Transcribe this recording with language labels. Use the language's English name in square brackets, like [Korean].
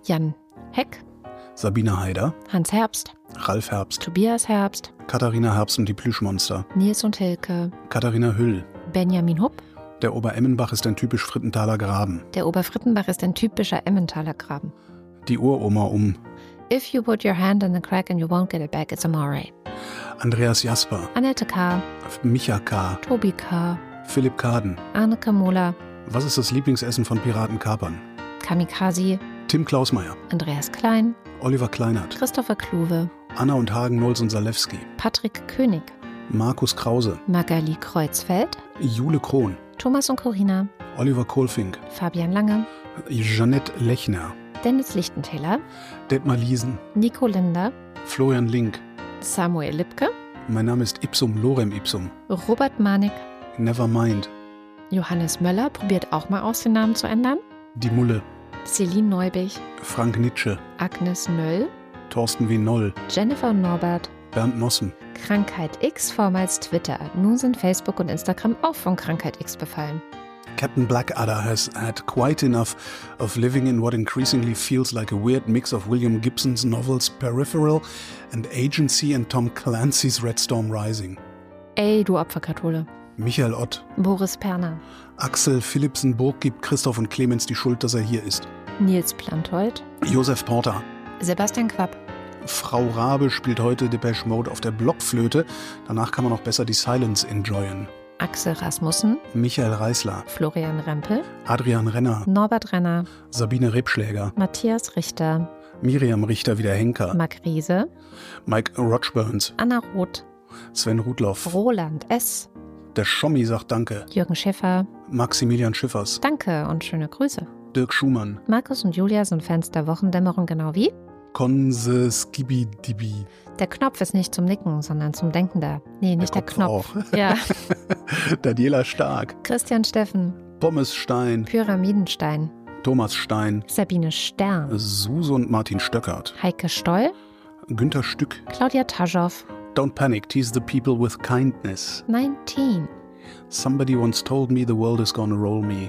[German] Jan Heck. Sabine Heider. Hans Herbst. Ralf Herbst. Tobias Herbst. Katharina Herbst und die Plüschmonster. Nils und Hilke. Katharina Hüll. Benjamin Hupp. Der Oberemmenbach ist ein typisch Frittenthaler Graben. Der Oberfrittenbach ist ein typischer Emmentaler Graben. Die Uroma um. [English] If you put your hand in the crack and you won't get it back, it's a moray. [German] Andreas Jasper. Annette K. Micha K. Tobi K. Philipp Kaden. Anne Kamula. Was ist das Lieblingsessen von Piratenkapern? Kamikaze. Tim Klausmeier. Andreas Klein. Oliver Kleinert. Christopher Kluwe. Anna und Hagen Nolz und Salewski. Patrick König. Markus Krause. Magali Kreuzfeld. Jule Krohn. Thomas und Corina. Oliver Kohlfink. Fabian Lange. Jeanette Lechner. Dennis Lichtenthaler. Detmar Liesen. Nico Linder. Florian Link. Samuel Lipke. Mein Name ist Ipsum Lorem Ipsum. Robert Manik. [English] Nevermind. [German] Johannes Möller probiert auch mal aus, den Namen zu ändern. Die Mulle. Celine Neubig. Frank Nitsche. Agnes Nöll. Thorsten W. Noll. Jennifer Norbert. Bernd Nossen. Krankheit X, vormals Twitter. Nun sind Facebook und Instagram auch von Krankheit X befallen. [English] Captain Blackadder has had quite enough of living in what increasingly feels like a weird mix of William Gibson's novels Peripheral and Agency and Tom Clancy's Red Storm Rising. [German] Ey, du Opferkathole. Michael Ott. Boris Perner. Axel Philipsen-Burg gibt Christoph und Clemens die Schuld, dass er hier ist. Nils Plantheut, Josef Porter, Sebastian Quapp. Frau Rabe spielt heute Depeche Mode auf der Blockflöte. Danach kann man auch besser die Silence enjoyen. Axel Rasmussen, Michael Reisler, Florian Rempel, Adrian Renner, Norbert Renner, Sabine Rebschläger, Matthias Richter, Miriam Richter wieder Henker, Marc Riese, Mike Rochburns, Anna Roth, Sven Rudloff, Roland S., der Schommi sagt Danke, Jürgen Schäfer, Maximilian Schiffers, Danke und schöne Grüße, Dirk Schumann, Markus und Julia sind Fans der Wochendämmerung genau wie Konse Skibi Dibi. Der Knopf ist nicht zum Nicken, sondern zum Denken da. Nee, nicht der Knopf. Auch. Ja. Daniela Stark. Christian Steffen. Pommes Stein. Pyramidenstein. Thomas Stein. Sabine Stern. Suse und Martin Stöckert. Heike Stoll. Günther Stück. Claudia Taschow. [English] Don't panic, tease the people with kindness. [German] 19. [English] Somebody once told me the world is gonna roll me.